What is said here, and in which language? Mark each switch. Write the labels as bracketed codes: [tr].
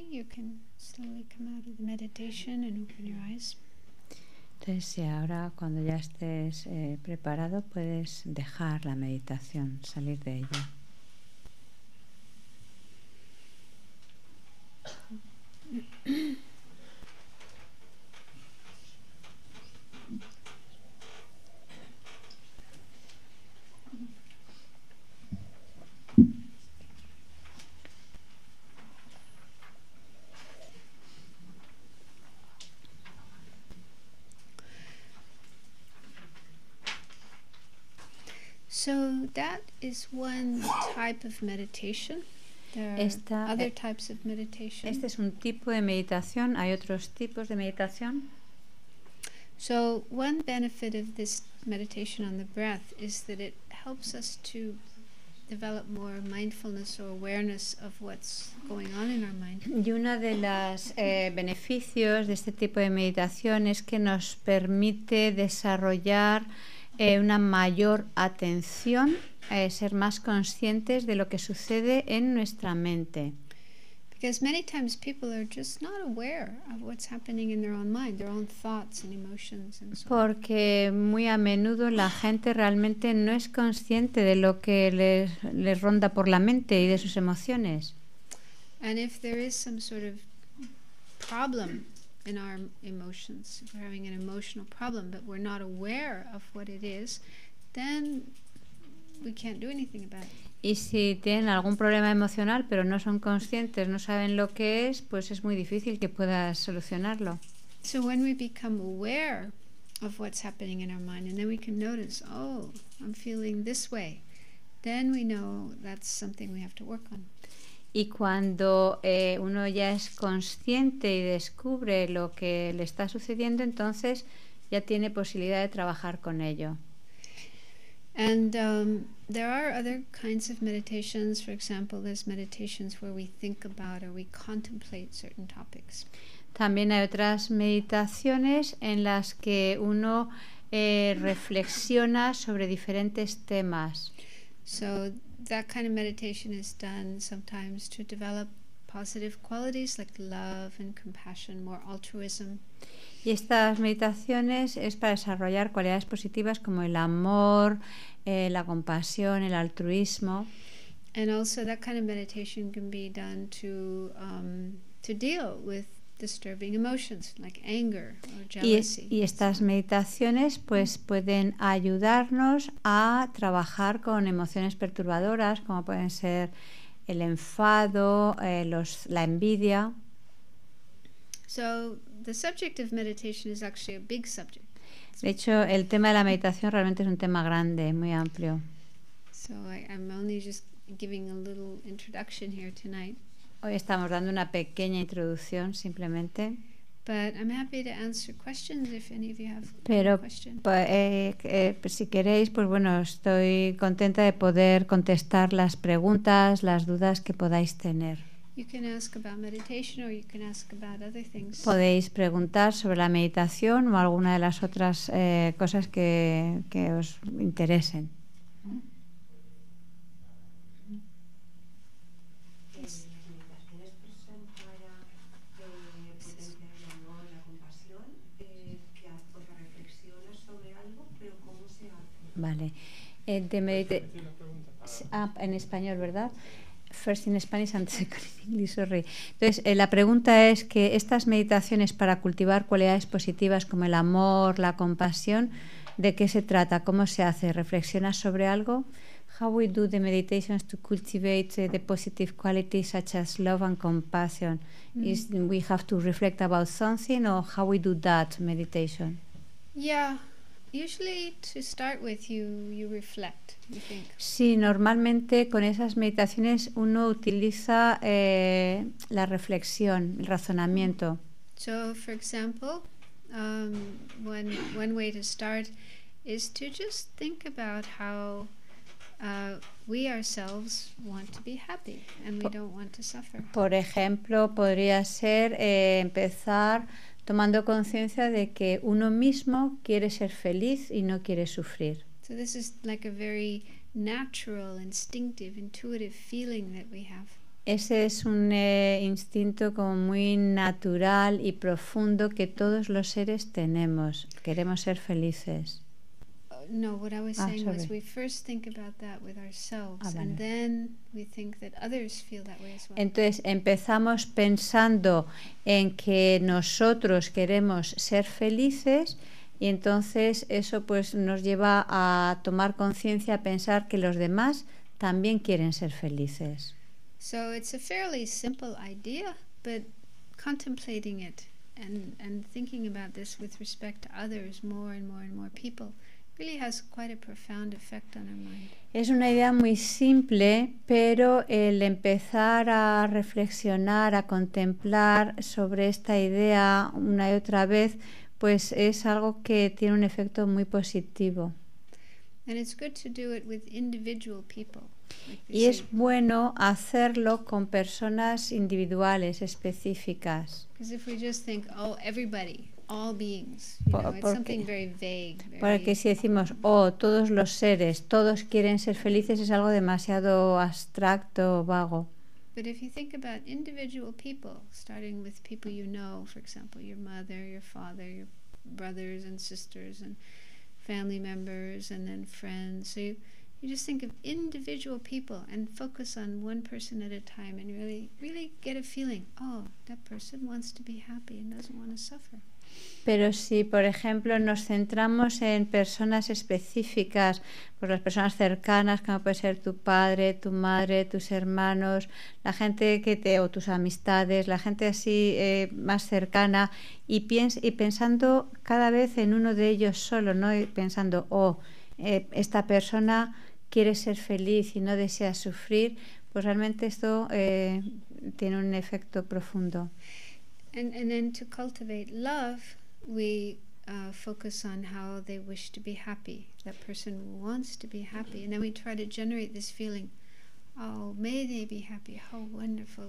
[en] can slowly come out of the meditation and open your eyes. [es] Entonces, si ahora cuando ya estés preparado, puedes dejar la meditación, salir de ella. [en] So that is one type of meditation. [es] Este es un tipo de meditación. Hay otros tipos de meditación. [en] So one benefit of this meditation on the breath is that it helps us to develop more mindfulness or awareness of what's going on in our mind. [es] Y una de las beneficios de este tipo de meditación es que nos permite desarrollar una mayor atención, ser más conscientes de lo que sucede en nuestra mente. [en] Because many times people are just not aware of what's happening in their own mind, their own thoughts and emotions and so on. [es] Porque muy a menudo la gente realmente no es consciente de lo que les ronda por la mente y de sus emociones. [en] And if there is some sort of problem in our emotions, if we're having an emotional problem but we're not aware of what it is, then we can't do anything about it. [es] Y si tienen algún problema emocional pero no son conscientes, no saben lo que es, pues es muy difícil que puedas solucionarlo. [en] So when we become aware of what's happening in our mind and then we can notice, oh, I'm feeling this way, then we know that's something we have to work on. [es] Y cuando uno ya es consciente y descubre lo que le está sucediendo, entonces ya tiene posibilidad de trabajar con ello. [en] And there are other kinds of meditations. For example, there's meditations where we think about or we contemplate certain topics. [es] También hay otras meditaciones en las que uno reflexiona sobre diferentes temas. [en] So that kind of meditation is done sometimes to develop positive qualities like love and compassion, more altruism. [es] Y estas meditaciones es para desarrollar cualidades positivas como el amor, la compasión, el altruismo. [en] And also that kind of meditation can be done to deal with disturbing emotions like anger or jealousy. [es] Y estas meditaciones pues pueden ayudarnos a trabajar con emociones perturbadoras como pueden ser el enfado, la envidia. [en] So the subject of meditation is actually a big subject. [es] De hecho, el tema de la meditación realmente es un tema grande, muy amplio. [en] So I'm only just giving a little introduction here tonight. [es] Hoy estamos dando una pequeña introducción simplemente. [en] But I'm happy to answer questions if any of you have questions. [es] Pero [en] question. [es] Si queréis, pues bueno, estoy contenta de poder contestar las preguntas, las dudas que podáis tener. [en] You can ask about meditation or you can ask about other things. [es] Podéis preguntar sobre la meditación o alguna de las otras cosas que os interesen. Vale. En español, ¿verdad? [en] First in Spanish and second in English, sorry. [es] Entonces, la pregunta es que estas meditaciones para cultivar cualidades positivas como el amor, la compasión, ¿de qué se trata? ¿Cómo se hace? ¿Reflexionas sobre algo? [en] How we do the meditations to cultivate the positive qualities such as love and compassion? Mm-hmm. Is we have to reflect about something or how we do that meditation? Yeah. Usually to start with you reflect, you think. [es] Sí, normalmente con esas meditaciones uno utiliza la reflexión, el razonamiento. [en] So for example, one way to start is to just think about how we ourselves want to be happy and we don't want to suffer. [es] Por ejemplo, podría ser empezar tomando conciencia de que uno mismo quiere ser feliz y no quiere sufrir. [en] So this is like a very natural, instinctive, intuitive feeling that we have. [es] Ese es un instinto como muy natural y profundo que todos los seres tenemos. Queremos ser felices. [en] No, what I was saying was we first think about that with ourselves, and then we think that others feel that way as well. [es] Entonces empezamos pensando en que nosotros queremos ser felices, y entonces eso pues nos lleva a tomar conciencia, a pensar que los demás también quieren ser felices. [en] So it's a fairly simple idea, but contemplating it and thinking about this with respect to others more and more and more people really has quite a profound effect on our mind. [es] Es una idea muy simple, pero el empezar a reflexionar, a contemplar sobre esta idea una y otra vez, pues es algo que tiene un efecto muy positivo. [en] And it's good to do it with individual people. [es] Y es bueno hacerlo con personas individuales, específicas. [en] Because if we just think, oh, everybody, all beings, you know, it's something very vague. [es] Porque si decimos, oh, todos los seres, todos quieren ser felices, es algo demasiado abstracto o vago. [en] But if you think about individual people, starting with people you know, for example, your mother, your father, your brothers and sisters and family members and then friends, so you just think of individual people and focus on one person at a time and really, really get a feeling, oh, that person wants to be happy and doesn't want to suffer. [es] Pero si, por ejemplo, nos centramos en personas específicas, pues las personas cercanas, como puede ser tu padre, tu madre, tus hermanos, la gente que te, o tus amistades, la gente así más cercana, y pensando cada vez en uno de ellos solo, ¿no? Y pensando, oh, esta persona quiere ser feliz y no desea sufrir, pues realmente esto tiene un efecto profundo. [en] And then to cultivate love, we focus on how they wish to be happy. That person wants to be happy. And then we try to generate this feeling, oh, may they be happy, how wonderful.